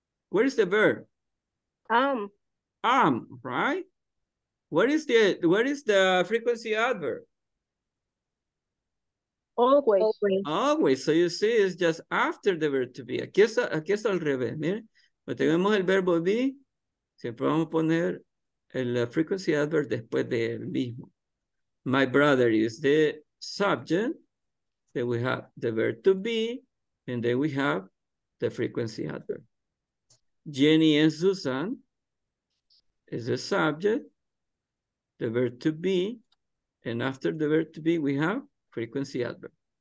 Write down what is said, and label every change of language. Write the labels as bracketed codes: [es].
[en] Where is the verb? Right? What is the frequency adverb? Always. So you see, it's just after the verb to be. [es] Aquí está al revés. Miren, cuando tenemos el verbo be, siempre vamos a poner el frequency adverb después del mismo. [en] My brother is the subject. Then we have the verb to be, and then we have the frequency adverb. Jenny and Susan is the subject, the verb to be, and after the verb to be, we have frequency adverb.